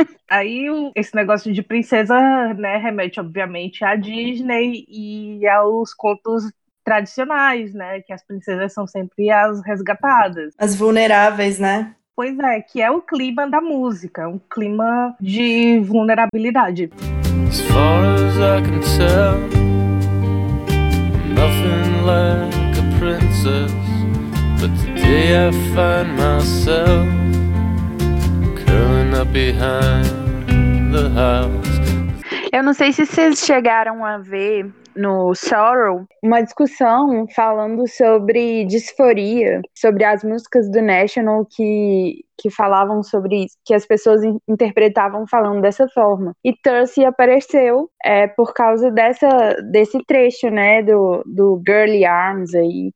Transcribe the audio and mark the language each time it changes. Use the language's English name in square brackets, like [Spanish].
[Portuguese] Aí esse negócio de princesa, né, remete obviamente à Disney e aos contos tradicionais, né, que as princesas são sempre as resgatadas. As vulneráveis, né? Pois é, que é o clima da música, um clima de vulnerabilidade. [English] As far as I can tell, nothing like a princess, but today I find myself curling up behind the house. [Portuguese] Eu não sei se vocês chegaram a ver no Sorrow uma discussão falando sobre disforia, sobre as músicas do National que falavam sobre isso, que as pessoas interpretavam falando dessa forma. E Thirsty apareceu por causa desse trecho, né, do Girly Arms aí.